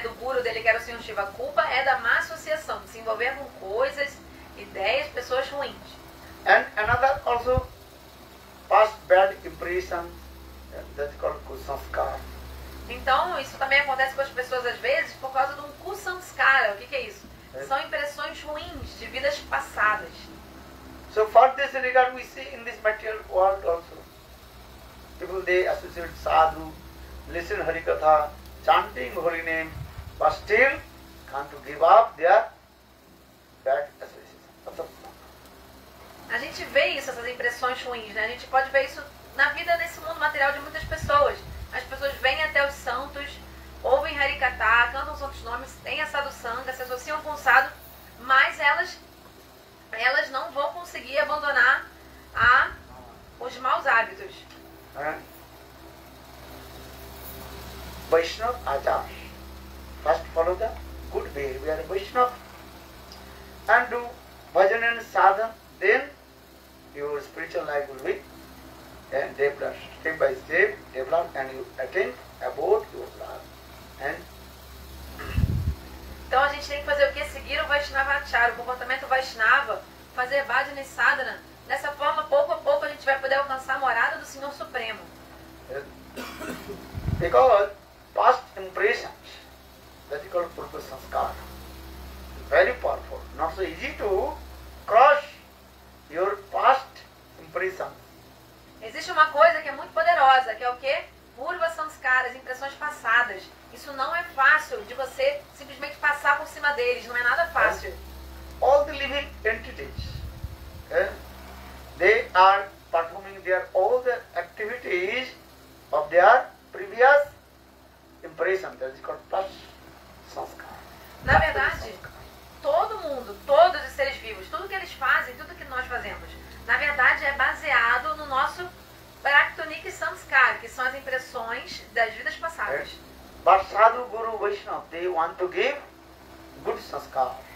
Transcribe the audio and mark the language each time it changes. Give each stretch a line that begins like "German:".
Portuguese: Do guru dele, que era o Senhor Shiva. A culpa é da má associação, de se envolver com coisas, ideias, pessoas ruins.
English: And another also past bad impression, that's called kusanskara.
Portuguese: Então isso também acontece com as pessoas às vezes por causa de um kusanskara. O que é isso? São impressões ruins de vidas passadas.
English: So for this regard we see in this material world also, people they associate sadhu, listen harikatha, chanting holy name, but still can't give up their bad association.
Portuguese: A gente vê isso, essas impressões ruins, né? A gente pode ver isso na vida, nesse mundo material, de muitas pessoas. As pessoas vêm até os santos, ouvem Harikatha, cantam os outros nomes, têm a sadhu sangha, se associam com o sadhu, mas elas não vão conseguir abandonar os maus hábitos.
English: Vaishnava achar. First follow the good behavior of Vaishnava. And do bhajan and sadhana, then your spiritual life will be developed, step by step, developed, and you attain above your love.
Portuguese: Então a gente tem que fazer o que? Seguir o Vaishnava Achara, o comportamento Vaishnava, fazer Vajna e Sadhana. Dessa forma, pouco a pouco, a gente vai poder alcançar a morada do Senhor Supremo.
English: Because past impressions, that is called purpa sanskara, very powerful, not so easy to crush your past impression.
Portuguese: Existe uma coisa que é muito poderosa, que é o quê? Purvas sanskaras, impressões passadas. Isso não é fácil de você simplesmente passar por cima deles, não é nada fácil.
English: All the living entities, they are performing their all the activities of their previous impression. That is called past sanskara.
Portuguese: Na verdade, todo mundo, todos os seres vivos, tudo que eles fazem, tudo que nós fazemos, na verdade é baseado no nosso Praktunik Sanskar, que são as impressões das vidas passadas.
English: But Sadhu Guru Vaishnava, they want to give good sanskar.